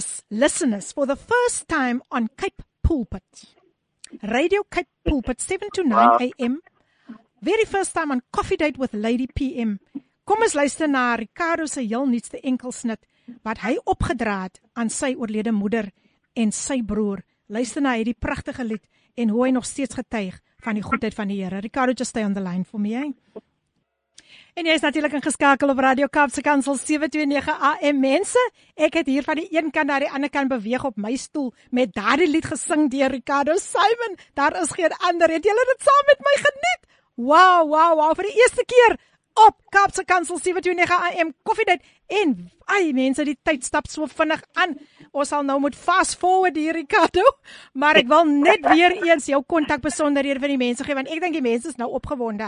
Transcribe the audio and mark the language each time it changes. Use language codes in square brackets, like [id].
[en] Listeners, for the first time on Cape Pulpit, Radio Cape Pulpit, 7 to 9 a.m., very first time on Coffee Date with Lady PM. [af] Kom ons luister na Ricardo se heel nuutste enkelsnit wat hy opgedra het aan sy oorlede moeder en sy broer. Luister na hierdie pragtige lied en hoe hy nog steeds getuig van die goedheid van die Here. [en] Ricardo, just stay on the line for me, hey? [af] En jy is natuurlik ingeskakel op Radio Kaapse Kansel 729 AM. Mense, ek het hier van die een kant na die ander kant beweeg op my stoel met daardie lied gesing deur Ricardo Simon. Daar is geen ander. Het julle dit saam met my geniet? Wow, vir die eerste keer op Kaapse Kansel 729 AM Koffiedייט. En ai mense, die tyd stap so vinnig aan. Ons sal nou moet fast forward hier, Ricardo, maar ek wil net weer eens jou kontak besonderhede vir die mense gee, want ek dink die mense is nou opgewonde.